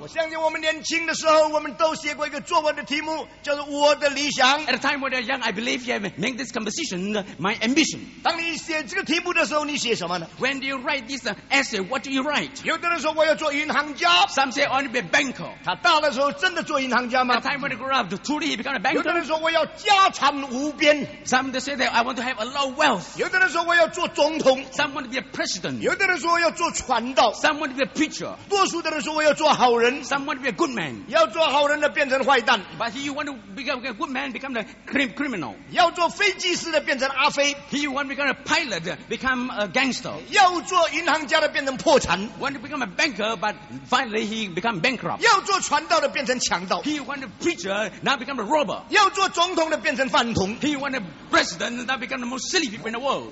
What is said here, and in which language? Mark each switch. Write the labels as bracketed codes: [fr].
[zh] 我相信我们年轻的时候我们都写过一个作文的题目, 叫做我的理想。 [en] At a time when you're young, I believe you have made this composition my ambition. [zh] 当你写这个题目的时候你写什么呢? [en] When do you write this essay, what do you write? [zh] 有的人说我要做银行家。 [en] Some say I want to be a banker. [zh] 他大的时候真的做银行家吗? [en] At a time when he grew up, truly he became a banker. [zh] 有的人说我要家产无边。 [en] Some say that I want to have a lot of wealth. [zh] 有的人说我要做总统. [en] Some want to be a president. [zh] 有的人说我要做传道. [en] Some want to be a preacher. [zh] 多数的人说我要做好人. [en] Some want to be a good man. [zh] 要做好人的变成坏蛋. [en] But he want to become a good man, become a criminal. [zh] 要做飞机师的变成阿飞. [en] He want to become a pilot, become a gangster. [zh] 要做银行家的变成破产. [en] Want to become a banker, but finally he become bankrupt. [zh] 要做传道的变成强盗. [en] He want to preacher, now become a robber. [zh] 要做总统的变成饭桶. [en] He want a president that become the most silly people in the world.